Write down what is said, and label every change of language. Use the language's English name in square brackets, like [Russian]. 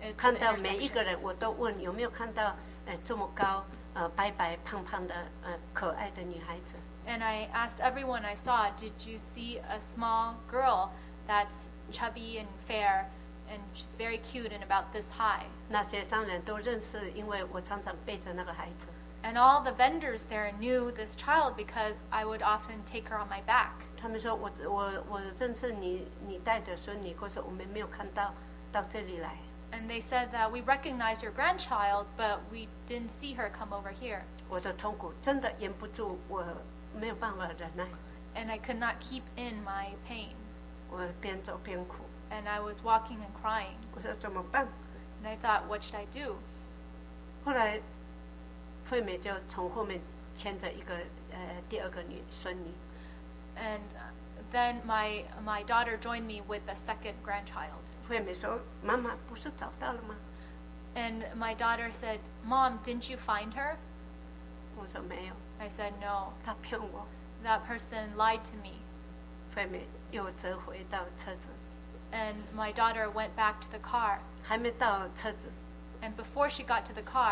[Chinese] 看到每一个人，我都问有没有看到这么高白白胖胖的可爱的女孩子。 [English] And I asked everyone I saw, did you see a small girl that's chubby and fair, and she's very cute and about this high? [Chinese] 那些商人都认识，因为我常常背着那个孩子。 [English] And all the vendors there knew this child because I would often take her on my back. [Chinese] 他们说我认识你带的孙女，可是我们没有看到这里来。 [English] And they said that we recognized your grandchild, but we didn't see her come over here. [Chinese] 我的痛苦真的忍不住，我没有办法忍耐。 [English] And I could not keep in my pain. [Chinese] 我边走边哭。 [English] And I was walking and crying. [Chinese] 我说怎么办？ [English] And I thought, what should I do? [Chinese] 后来惠美就从后面牵着一个第二个孙女。 [English] And then my daughter joined me with a second grandchild. [Chinese] 惠美说：“妈妈不是找到了吗？” [English] And my daughter said, "Mom, didn't you find her?" [Chinese] 我说没有。 [English] I said no. [Chinese] 她骗我。 [English] That person lied to me. [Chinese] 惠美又折回到车子。 [English] And my daughter went back to the car. [Chinese] 还没到车子。 [English] And before she got to the car,